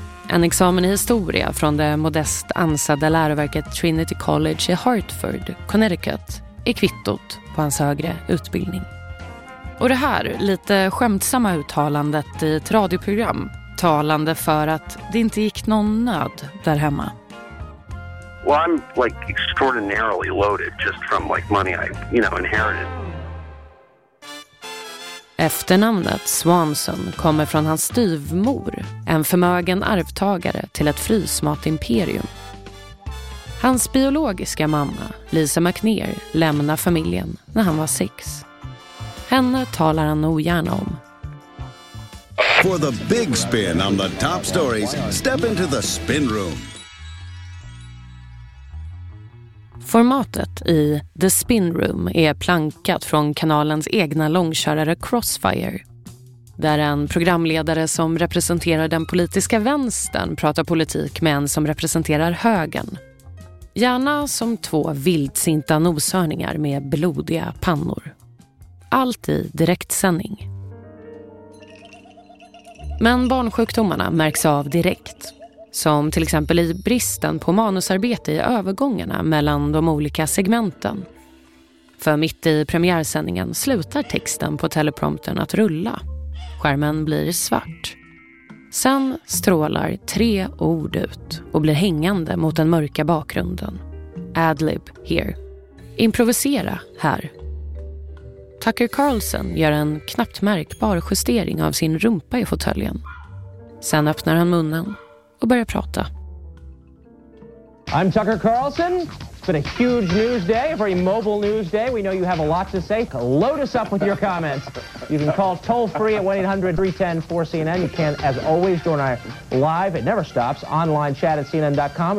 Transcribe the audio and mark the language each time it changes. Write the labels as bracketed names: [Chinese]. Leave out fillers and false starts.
[Swedish] En examen i historia från det modest ansedda läroverket Trinity College i Hartford, Connecticut, är kvittot på hans högre utbildning. Och det här lite skämtsamma uttalandet i ett radioprogram talande för att det inte gick någon nöd där hemma. [English] Well, I'm like extraordinarily loaded just from like money I, you know, inherited. [Swedish] Efternamnet Swanson kommer från hans styvmor, en förmögen arvtagare till ett frysmatimperium. Hans biologiska mamma, Lisa McNear, lämnar familjen när han var 6. Henne talar han ogärna om. [English] For the big spin on the top stories, step into the spin room. [Swedish] Formatet i The Spin Room är plankat från kanalens egna långkörare Crossfire. Där en programledare som representerar den politiska vänstern pratar politik med en som representerar högern. Gärna som två vildsinta noshörningar med blodiga pannor. Allt i direktsändning. Men barnsjukdomarna märks av direkt. Som till exempel i bristen på manusarbete i övergångarna mellan de olika segmenten. För mitt i premiärsändningen slutar texten på teleprompten att rulla. Skärmen blir svart. Sen strålar tre ord ut och blir hängande mot den mörka bakgrunden. [English] Adlib here. [Swedish] Improvisera här. Tucker Carlson gör en knappt märkbar justering av sin rumpa i fåtöljen. Sen öppnar han munnen och börjar prata. [English] I'm Tucker Carlson. It's been a huge news day, a very mobile news day. We know you have a lot to say. Load us up with your comments. You can call toll free at 1-800-310-4CNN. You can, as always, join our live, it never stops, online chat at CNN.com.